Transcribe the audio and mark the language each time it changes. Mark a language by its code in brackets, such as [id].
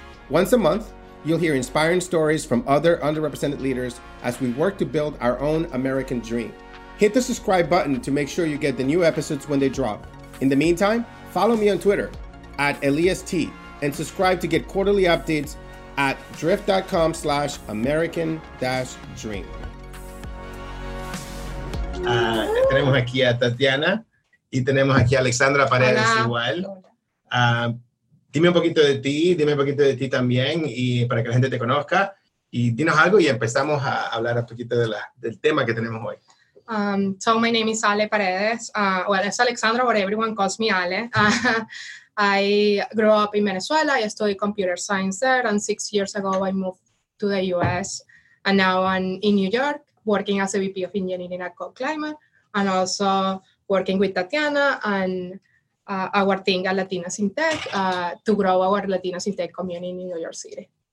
[en] Once a month, you'll hear inspiring stories from other underrepresented leaders as we work to build our own American dream. Hit the subscribe button to make sure you get the new episodes when they drop. In the meantime, follow me on Twitter at ElliasT and subscribe to get quarterly updates at drift.com/American-dream. [es] Tenemos aquí a Tatiana y tenemos aquí a Alexandra Paredes. Hola. Igual. Dime un poquito de ti, dime un poquito de ti también y para que la gente te conozca. Y dinos algo y empezamos a hablar un poquito de del tema que tenemos hoy. [en] So my name is Ale Paredes. Well, it's Alexandra, but everyone calls me Ale. I grew up in Venezuela. I studied computer science there. And 6 years ago, I moved to the US. And now I'm in New York, working as a VP of engineering at CoClimate, and also working with Tatiana and our team at Latinx in Tech to grow our Latinx in Tech community in New York City.